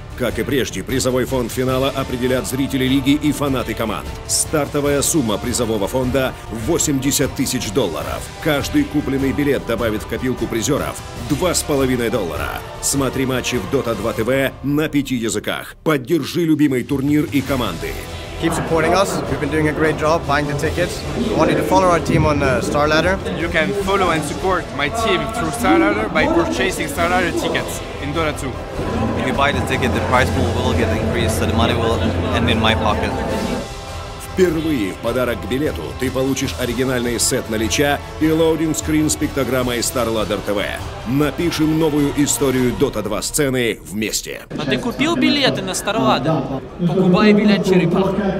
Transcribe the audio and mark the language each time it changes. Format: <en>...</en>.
<ru>Как и прежде, призовой фонд финала определят зрители лиги и фанаты команд. Стартовая сумма призового фонда – $80 000. Каждый купленный билет добавит в копилку призеров – $2.50. Смотри матчи в Dota 2 TV на 5 языках. Поддержи любимый турнир и команды.</ru> <en>Keep supporting us. We've been doing a great job buying the tickets. If you wanted to follow our team on StarLadder, you can follow and support my team through StarLadder by purchasing StarLadder tickets in Dota 2. If you buy the ticket, the prize pool will get increased, so the money will end in my pocket.</en> <ru>Впервые в подарок к билету ты получишь оригинальный сет на лича и лоудинг-скрин с пиктограммой StarLadder TV. Напишем новую историю Dota 2 сцены вместе. А ты купил билеты на StarLadder? Покупай билет, черепах.</ru>